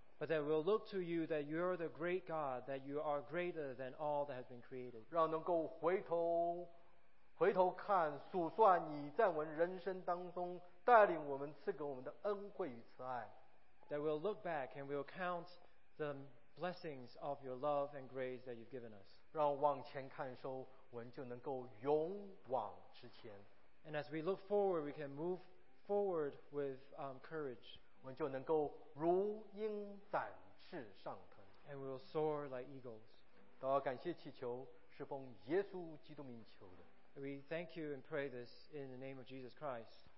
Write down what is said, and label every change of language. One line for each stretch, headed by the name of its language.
English: But that we'll look to you that you are the great God, that you are greater than all that has been created.
Chinese: 让能够回头看数算你在我们人生当中带领我们赐给我们的恩惠与慈爱。
English: That we'll look back and we'll count the blessings of your love and grace that you've given us.
Chinese: 让往前看说我们就能够勇往直前。
English: And as we look forward, we can move forward with courage.
Chinese: 我们就能够如鹰展翅上腾
English: and we will soar like eagles.
Chinese: 祷告感谢祈求是奉耶稣基督名求的
English: We thank you and pray this in the name of Jesus Christ.